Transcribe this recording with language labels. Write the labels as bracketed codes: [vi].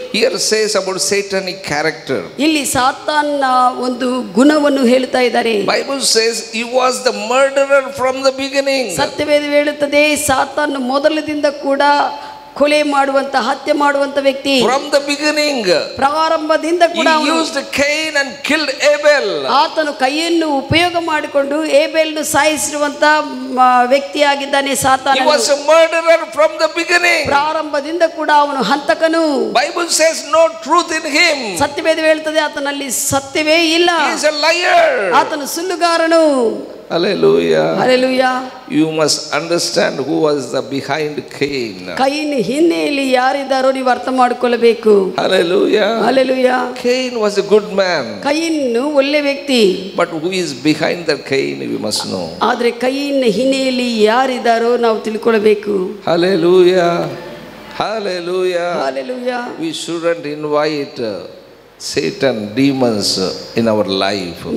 [en] Here says about satanic character. [kn] ಇಲ್ಲಿ ಸಾತಾನನ ಒಂದು ಗುಣವನ್ನು ಹೇಳ್ತಾ ಇದ್ದಾರೆ. [en] Bible says he was the murderer from the beginning. [kn] ಸತ್ಯವೇದವು ಹೇಳುತ್ತದೆ ಸಾತಾನನು ಮೊದಲಿನಿಂದ ಕೂಡ ಕೊಲೆ ಮಾಡುವಂತ ಹತ್ಯೆ ಮಾಡುವಂತ ವ್ಯಕ್ತಿ. [en] From the beginning. [kn] ಪ್ರಾರಂಭದಿಂದ ಕೂಡ [en] he used Cain and killed Abel. [kn] ಆತನು ಕೈಯನ್ನು ಉಪಯೋಗ ಮಾಡಿಕೊಂಡು ಏಬೆಲ್ನ ಸಾಯಿಸಿರುವಂತ ವ್ಯಕ್ತಿಯಾಗಿದ್ದಾನೆ ಸಾತಾನನು. [en] He was a murderer from the beginning. [kn] ಪ್ರಾರಂಭದಿಂದ ಕೂಡ ಅವನು ಹಂತಕನು. [en] Bible says no truth in him. [kn] ಸತ್ಯವೇದ ಹೇಳುತ್ತದೆ ಆತನಲ್ಲಿ ಸತ್ಯವೇ ಇಲ್ಲ. [en] He is a liar. [kn] ಆತನು ಸುಳ್ಳುಗಾರನು. [en] Hallelujah. Hallelujah. You must understand who was the behind Cain. [kn] ಕೈನ್ ಹಿನ್ನೆಲೆ ಯಾರಿದ್ದಾರೋ ನೀವು ಅರ್ಥ ಮಾಡಿಕೊಳ್ಳಬೇಕು. [en] Hallelujah. Hallelujah. Cain was a good man. [kn] ಕೈನ್ ಒಳ್ಳೆ ವ್ಯಕ್ತಿ. [en] But who is behind that Cain we must know. [kn] ಆದರೆ ಕೈನ್ ಹಿನ್ನೆಲೆ ಯಾರಿದ್ದಾರೋ ನಾವು ತಿಳ್ಕೊಳ್ಳಬೇಕು. [en] Hallelujah. Hallelujah. Hallelujah. We shouldn't invite Satan demons in our life.